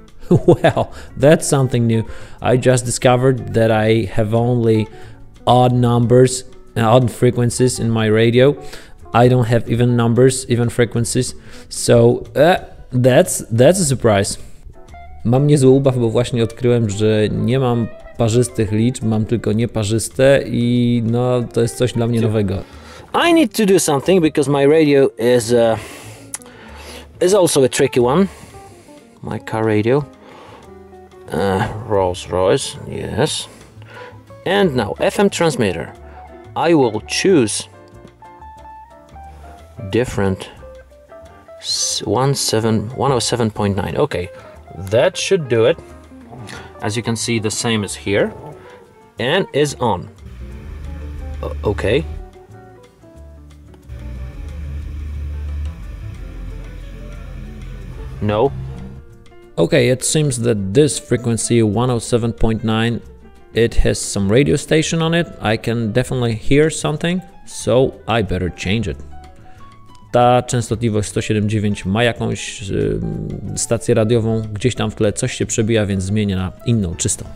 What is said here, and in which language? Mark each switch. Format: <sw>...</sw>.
<en>Well, that's something new. I just discovered that I have only odd numbers and odd frequencies in my radio. I don't have even numbers, even frequencies, so that's a surprise.</en> <pl>Mam niezły ubaw, bo właśnie odkryłem, że nie mam parzystych liczb, mam tylko nieparzyste i no, to jest coś dla mnie nowego.</pl> <en>I need to do something, because my radio is also a tricky one. My car radio. Rolls-Royce, yes. And now, FM transmitter. I will choose different 107.9. Okay, that should do it. As you can see, the same is here and is on. Okay. No. Okay, it seems that this frequency 107.9, it has some radio station on it. I can definitely hear something, so I better change it.</en> <pl>Ta częstotliwość 107.9 ma jakąś stację radiową, gdzieś tam w tle coś się przebija, więc zmienię na inną, czystą.</pl>